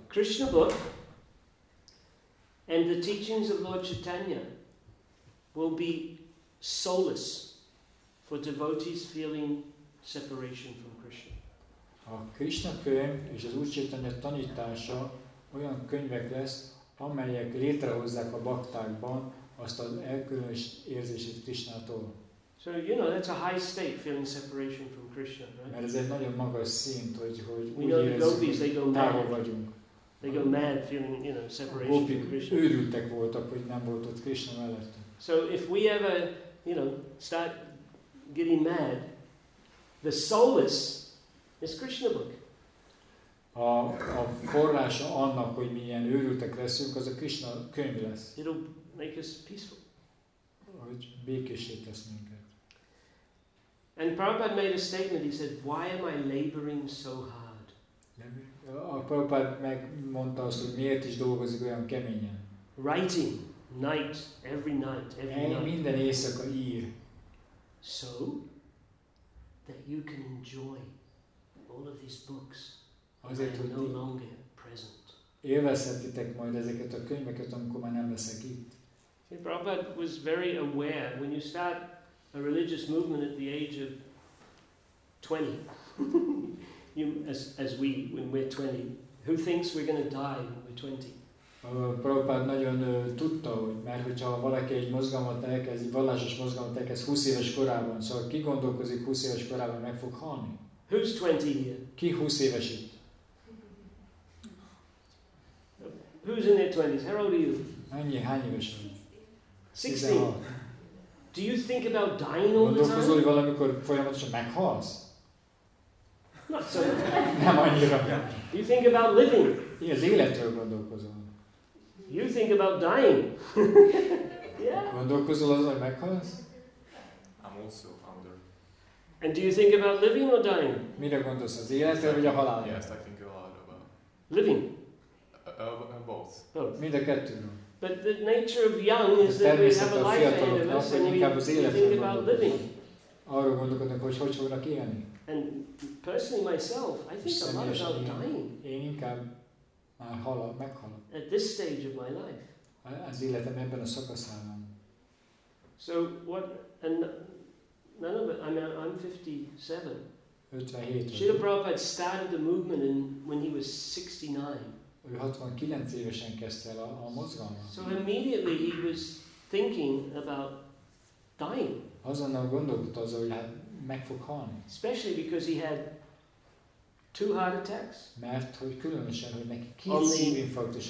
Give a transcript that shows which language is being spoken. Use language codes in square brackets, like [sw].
[en] Krishna book and the teachings of Lord Chaitanya will be solace for devotees feeling separation from Krishna. [hu] A Krishna könyv és az Úr Chaitanya tanítása olyan könyvek lesz, amelyek létrehozzák a baktákban azt az elkülönös érzését Krishnától. [en] So you know that's a high state feeling separation from Krishna, right? [hu] Mert ez egy nagyon magas szint, hogy [en] we know the gopis, they go mad. [hu] Távol vagyunk. [en] They go mad feeling, you know, separation from Krishna. [hu] Őrültek voltak, hogy nem volt ott Krishna mellett. [en] So if we ever, you know, start getting mad, the solace is Krishna book. [hu] A forrása annak, hogy mi ilyen őrültek leszünk, az a Krishna könyv lesz. [en] It'll make us peaceful. [hu] Hogy békéssé tesz minket. [en] And Prabhupada made a statement, he said, why am I laboring so hard? [hu] A Prabhupada megmondta azt, hogy miért is dolgozik olyan keményen. [en] Writing, night, every night, every night. [hu] Minden éjszaka ír. [en] So that you can enjoy all of these books. [hu] Azért, hogy [en] no longer present. [hu] Élvezhetitek majd ezeket a könyveket, amikor már nem leszek itt. [en] See, Prabhupada was very aware when you start a religious movement at the age of 20. You, as we, when we're 20, who thinks we're going to die when we're 20? [hu] Prabhupada nagyon tudta, hogy mert hogyha valaki egy mozgalmat elkezd, egy vallásos mozgalmat elkezd 20 éves korában, szóval ki gondolkozik 20 éves korában, meg fog halni? [en] Who's 20 here? [hu] Ki 20 éves itt? [en] Who's in their 20s? How old are you? [hu] Hány éves vagy? [en] 16. Do you think about dying all the time? [hu] Gondolkozol, hogy valamikor folyamatosan meghalsz? [en] Not so much. [hu] Nem annyira. [en] You think about living? [hu] Igen, az életről gondolkozol. [en] You think about dying? Yeah. [hu] Gondolkozol azon, hogy meghalsz? [en] I'm also under. And do you think about living or dying? [hu] Mire gondolsz, az életről vagy a halálról? [en] Yes, I think a lot about living. Both. [hu] Mind a kettőről. [en] But the nature of young is that we have a life ahead of us and we think about living. [hu] Arról gondolkodnak, hogy fognak élni. [en] And personally myself, I think a lot about dying. [hu] Én inkább már halok, meghalok. [en] At this stage of my life. [hu] Az életem ebben a szakaszában. [en] So what, and none of it, I mean, I'm 57. [hu] 57. [en] Srila Prabhupada started the movement in, when he was 69. [hu] Ő 69 évesen kezdte el a mozgalmat. [en] So immediately he was thinking about dying. [hu] Azonnal gondolkodott azzal, hogy hát meg fog halni. [en] Especially because he had two heart attacks. [hu] Mert hogy különösen, hogy neki két szívinfarktus